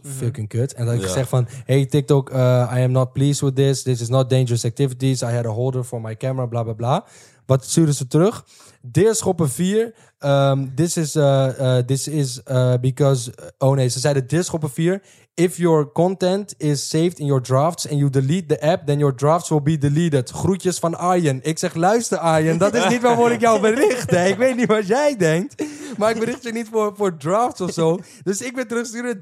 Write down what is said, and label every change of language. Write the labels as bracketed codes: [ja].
[nl] Mm-hmm. Fucking kut. En dan heb ik gezegd van, hey TikTok, [en] I am not pleased with this. This is not dangerous activities. I had a holder for my camera, bla bla bla. [nl] Wat sturen ze terug? Deerschoppen 4. Ze zeiden Deerschoppen 4. [en] If your content is saved in your drafts and you delete the app, then your drafts will be deleted. [nl] Groetjes van Arjen. Ik zeg, luister Arjen, dat is niet waarvoor ik jou bericht. Ik weet niet wat jij denkt. Maar ik bericht je niet voor drafts of zo. Dus ik ben teruggestuurd.